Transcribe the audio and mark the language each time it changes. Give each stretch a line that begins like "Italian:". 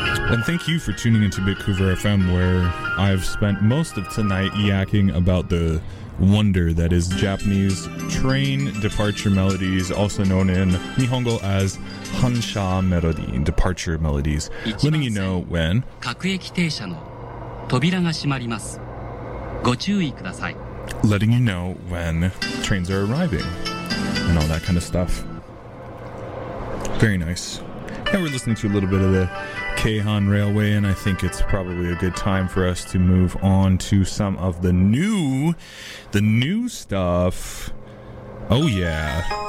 English: And thank you for tuning into Vancouver FM, where I've spent most of tonight yakking about the wonder that is Japanese train departure melodies, also known in Nihongo as Hansha Melody, departure melodies, letting you know when
Japanese: 各駅停車の扉が閉まります。ご注意ください。
English: Letting you know when trains are arriving and all that kind of stuff. Very nice. And we're listening to a little bit of the Keihan Railway, and I think it's probably a good time for us to move on to some of the new stuff. Oh yeah.